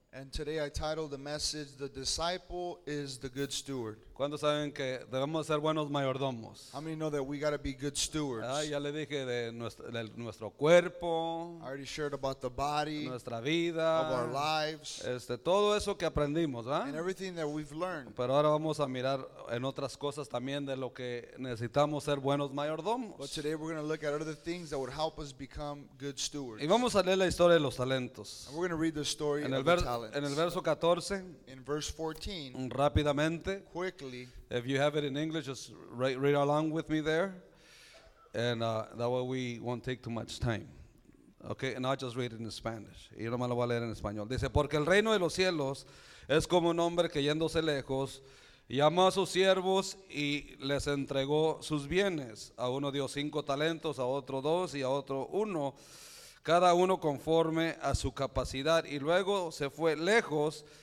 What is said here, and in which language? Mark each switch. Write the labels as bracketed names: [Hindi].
[English] And today I titled the message, "The Disciple is the Good Steward." [Spanish] ¿Cuántos saben que debemos ser buenos mayordomos? [English] How many know that we got to be good stewards? [Spanish] Ah, ya le dije de nuestro cuerpo. [English] I already shared about the body. [Spanish] Nuestra vida. [English] Of our lives. [Spanish] Todo eso que aprendimos, ¿verdad? [English] And everything that we've learned. [Spanish] Pero ahora vamos a mirar en otras cosas también de lo que necesitamos ser buenos mayordomos. [English] But today we're going to look at other things that would help us become good stewards. [Spanish] Y vamos a leer la historia de los talentos. [English] And we're going to read the story of the talents. [Spanish] En el verso 14. [English] In verse 14. [Spanish] Rápidamente. [English] Quickly. If you have it in English, just read along with me there. And that way we won't take too much time. Okay, and I'll just read it in Spanish. [Spanish] Y no me lo voy a leer en español. Dice, porque el reino de los cielos es como un hombre que yéndose lejos, llamó a sus siervos y les entregó sus bienes. A uno dio 5 talentos, a otro 2 y a otro 1. Cada uno conforme a su capacidad. Y luego se fue lejos.